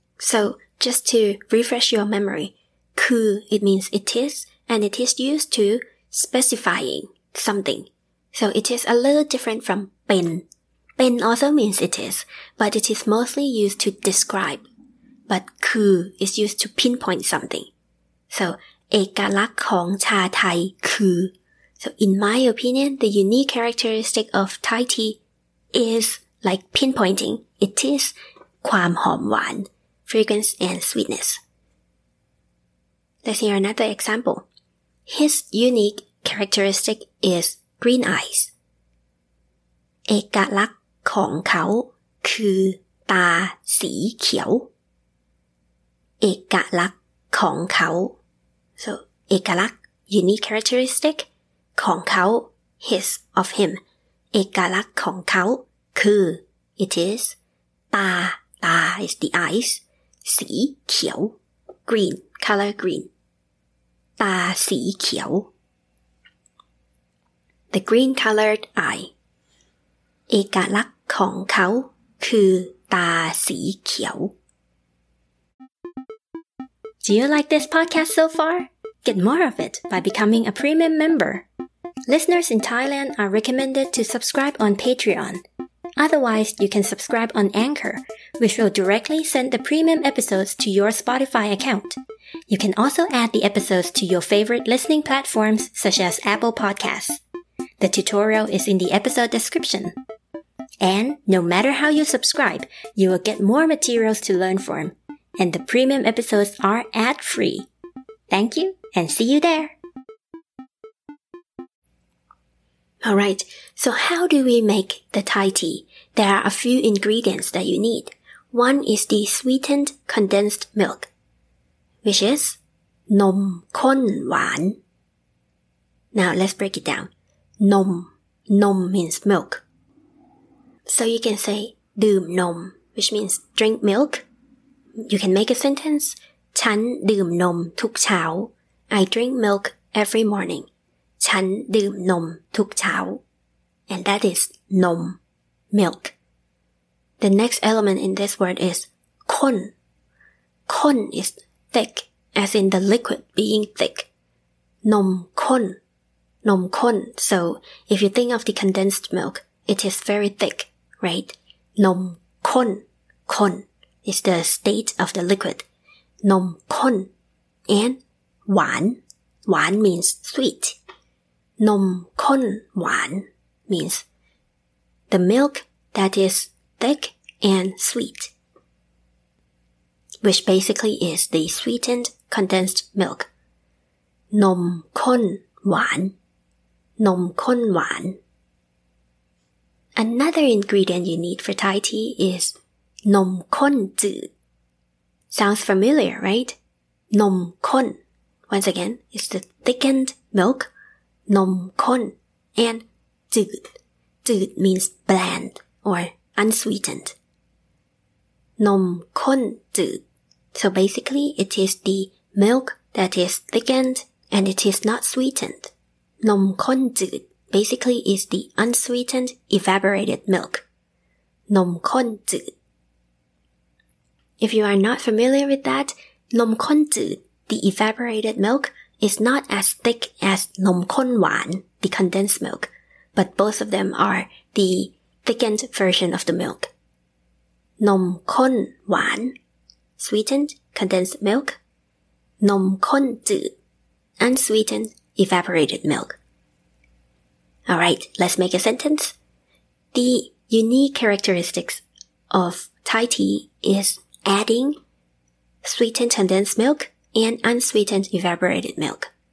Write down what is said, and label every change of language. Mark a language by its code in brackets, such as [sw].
[en] so just to refresh your memory คือ it means it is and it is used to specifying something so it is a little different from เป็น also means it is but it is mostly used to describe but คือ is used to pinpoint something so [th] เอกลักษณ์ของชาไทยคือ [en] So in my opinion, the unique characteristic of Thai tea is like pinpointing. It is [th] ความหอมหวาน, [en] fragrance and sweetness. Let's hear another example. His unique characteristic is green eyes. [th] เอกลักษณ์ของเขาคือตาสีเขียว. เอกลักษณ์ของเขา. [en] So, เอกลักษณ์, unique characteristic. ของเขา his of him เอกลักษณ์ของเขาคือ it is ตา is the eyes สีเขียว green color green ตาสีเขียว the green colored eye [th] เอกลักษณ์ของเขาคือตาสีเขียว [en] Do you like this podcast so far? Get more of it by becoming a premium memberListeners in Thailand are recommended to subscribe on Patreon. Otherwise, you can subscribe on Anchor, which will directly send the premium episodes to your Spotify account. You can also add the episodes to your favorite listening platforms such as Apple Podcasts. The tutorial is in the episode description. And no matter how you subscribe, you will get more materials to learn from, and the premium episodes are ad-free. Thank you, and see you there! Alright, so how do we make the Thai tea? There are a few ingredients that you need. One is the sweetened condensed milk, which is นมข้นหวาน. Now let's break it down. นม means milk. So you can say [th] ดื่มนม, [en] which means drink milk. You can make a sentence, [th] ฉันดื่มนมทุกเช้า. [en] I drink milk every morning. [th] ฉันดื่มนมทุกเช้า [en] and that is นม milk the next element in this word is ข้น ข้น is thick as in the liquid being thick นมข้นนมข้น so if you think of the condensed milk it is very thick right นมข้นข้น is the state of the liquid นมข้น and หวานหวาน means sweet นมข้นหวาน means the milk that is thick and sweet, which basically is the sweetened condensed milk. นมข้นหวาน นมข้นหวาน Another ingredient you need for Thai tea is นมข้นจืด Sounds familiar, right? นมข้น Once again, it's the thickened milk. นมข้น and จืดจืด means bland or unsweetened นมข้นจืด so basically it is the milk that is thickened and it is not sweetened นมข้นจืด basically is the unsweetened evaporated milk นมข้นจืด if you are not familiar with that นมข้นจืด the evaporated milkIs not as thick as นมข้นหวาน, the condensed milk, but both of them are the thickened version of the milk. นมข้นหวาน, sweetened condensed milk. นมข้นจืด, unsweetened evaporated milk. Alright, let's make a sentence. The unique characteristics of Thai tea is adding sweetened condensed milk. And unsweetened evaporated milk.